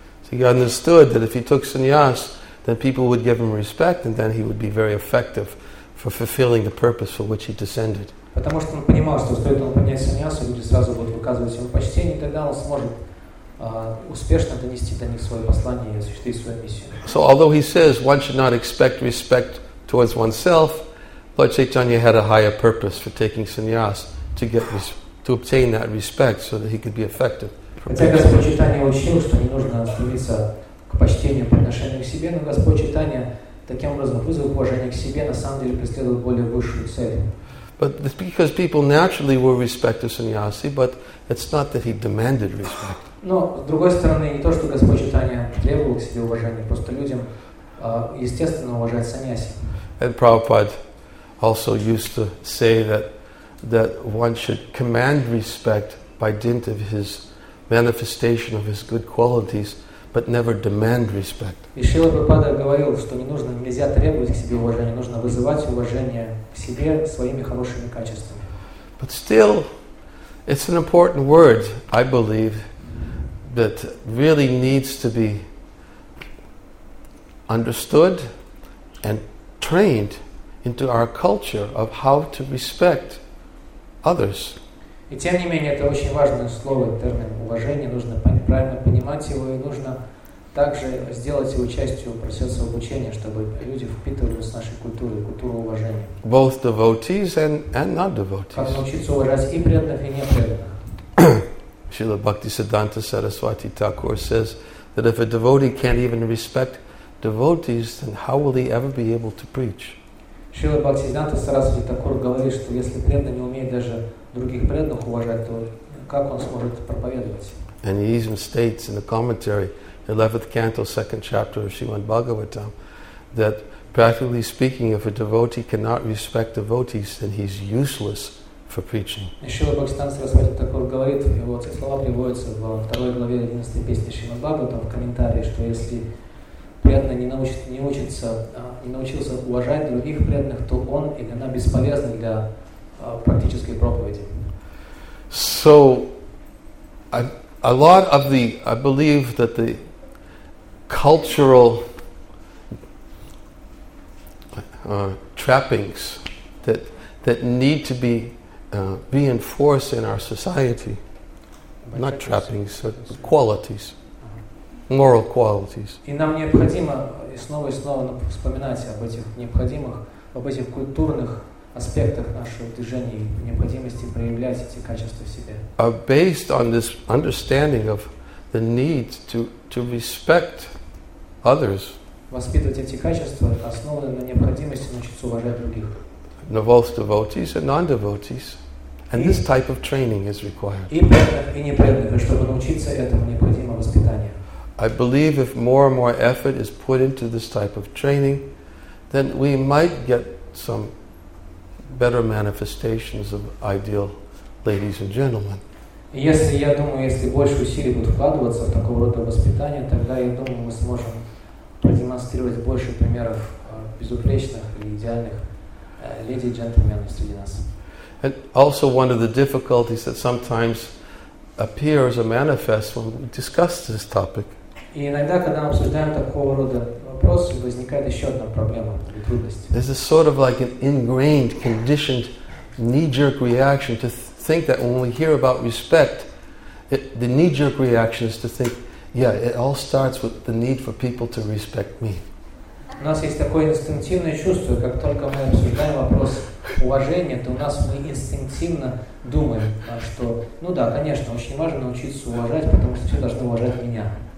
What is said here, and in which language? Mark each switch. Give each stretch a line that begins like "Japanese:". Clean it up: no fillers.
English: So he understood that if he took sannyas, then people would give him respect, and then he would be very effective for fulfilling the purpose for which he descended.
Russian: Потому что он понимал, что стоит он принять саньясу, люди сразу будут выказывать ему почтение, и тогда он сможет успешно донести до них свое послание и осуществить свою миссию.
English: So although he says one should not expect respect towards oneself, Lord Chaitanya had a higher purpose for taking sannyas, to obtain that respect so that he could be effective.
Russian: Хотя Господь Чайтанья учил, что не нужно стремиться к почтению по отношению к себе, но Господь Чайтанья таким образом вызвал уважение к себе, на самом деле преследовал более высшую цель.
English: But it's because people naturally were respected sannyasi, but it's not that he demanded respect.
Russian: Но, с другой стороны, не то, что Господь Чайтанья требовал к себе уважения, просто людям естественно уважать сannyasi.
English: And Prabhupada also used to say that one should command respect by dint of his manifestation of his good qualities, but never demand respect.
Russian: И Шрила Прабхупада говорил, что нельзя требовать к себе уважения, нужно вызывать уважение к себе своими хорошими качествами.
English: But still, it's an important word, I believe, that really needs to be understood and trained into our culture of how to respect others.
Russian: И тем не менее, это очень важное слово, термин уважение. Нужно правильно понимать его, и нужно также сделать его частью процесса обучения, чтобы люди впитывали с нашей культуры, культуру уважения.
English: Both devotees and non-devotees.
Russian: Как научиться уважать и преданных, и непреданных.
English: Шрила Бхактисиддханта Сарасвати Тхакур says that if a devotee can't even respect devotees, then how will he ever be able to preach?
Russian: Шрила Бхактисиддханта Сарасвати Тхакур говорит, что если преданный не умеет даже других преданных уважать, то как он сможет проповедовать?
English: And he even states in the commentary, 11th canto, 2nd chapter of Srimad Bhagavatam, that practically speaking, if a devotee cannot respect devotees, then he's useless for preaching. And
Russian: Srila Bhaktisiddhanta Saraswati Thakur говорит, и вот эти слова приводятся во второй главе 11 песни Шримад Бхагаватам в комментарии, что если преданный не научился уважать других преданных, то он или она бесполезны для практической проповеди.
English: So, I believe that the cultural trappings that need to be reinforced in our society, not trappings, but qualities, moral qualities.
Russian: И нам необходимо снова и снова вспоминать об этих необходимых, об этих культурных аспектах нашего движения и необходимости проявлять эти качества в себе.
English: Are based on this understanding of the need to respect others.
Russian: Воспитывать эти качества основаны на необходимости научиться уважать других. Но
English: both devotees and non-devotees. And this type of training is required.
Russian: И преданных, и непреданных. И чтобы научиться этому, необходимо воспитание.
English: I believe if more and more effort is put into this type of training, then we might get some better manifestations of ideal ladies and gentlemen.
Russian: Если, я думаю, если больше усилий будет вкладываться в такого рода воспитание, тогда, я думаю, мы сможем продемонстрировать больше примеров безупречных и идеальных леди и джентльменов среди нас.
English: And also one of the difficulties that sometimes appears or manifests when we discuss this topic.
Russian: И иногда, когда мы обсуждаем такого рода вопрос, возникает еще одна проблема или трудность.
English: There's a sort of like an ingrained, conditioned, knee-jerk reaction to think that when we hear about respect, the knee-jerk reaction is to think, yeah, it all starts with the need for people to respect me.
Russian: У нас есть такое инстинктивное чувство, как только мы обсуждаем вопрос уважения, то у нас мы инстинктивно думаем, что, ну да, конечно, очень важно научиться уважать, потому что все должны уважать меня.